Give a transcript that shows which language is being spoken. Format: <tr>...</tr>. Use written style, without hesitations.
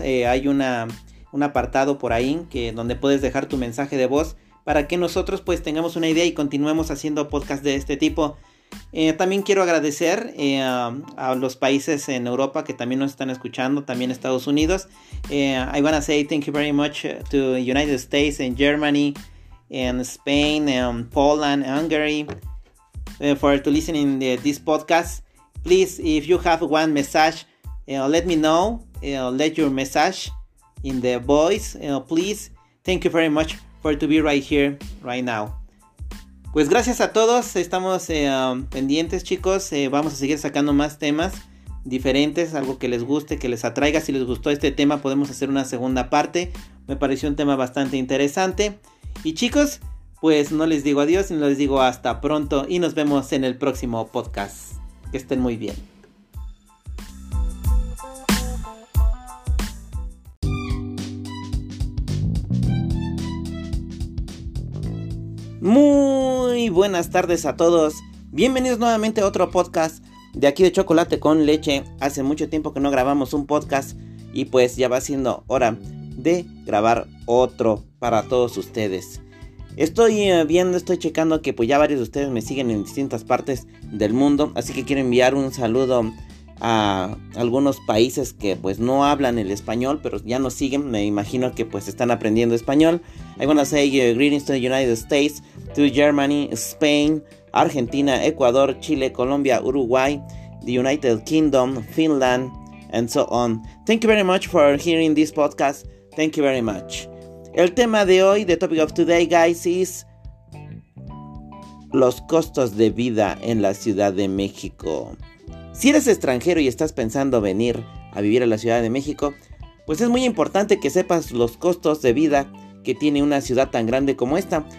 <es>Hay un apartado por ahí que donde puedes dejar tu mensaje de voz para que nosotros pues tengamos una idea y continuemos haciendo podcast de este tipo. También quiero agradecer a los países en Europa que también nos están escuchando, también Estados Unidos.</es> <en>I want to say thank you very much to United States and Germany and Spain and Poland, Hungary for to listening to this podcast. Please, if you have one message, let me know, let your message in the voice, please. Thank you very much for to be right here, right now.</en> <es>Pues gracias a todos, estamos pendientes, chicos. Vamos a seguir sacando más temas diferentes, algo que les guste, que les atraiga. Si les gustó este tema, podemos hacer una segunda parte. Me pareció un tema bastante interesante. Y chicos, pues no les digo adiós, sino les digo hasta pronto y nos vemos en el próximo podcast. Que estén muy bien. Muy buenas tardes a todos. Bienvenidos nuevamente a otro podcast de aquí de Chocolate con Leche. Hace mucho tiempo que no grabamos un podcast y pues ya va siendo hora de grabar otro para todos ustedes. Estoy viendo, estoy checando que pues ya varios de ustedes me siguen en distintas partes del mundo. Así que quiero enviar un saludo a algunos países que pues no hablan el español, pero ya nos siguen. Me imagino que pues están aprendiendo español.</es> <en>I want to say greetings to the United States, to Germany, Spain, Argentina, Ecuador, Chile, Colombia, Uruguay, the United Kingdom, Finland, and so on. Thank you very much for hearing this podcast. Thank you very much.</en> <es>El tema de hoy,</es> <en>the topic of today, guys, is</en> <es>los costos de vida en la Ciudad de México. Si eres extranjero y estás pensando venir a vivir a la Ciudad de México, pues es muy importante que sepas los costos de vida que tiene una ciudad tan grande como esta.</es>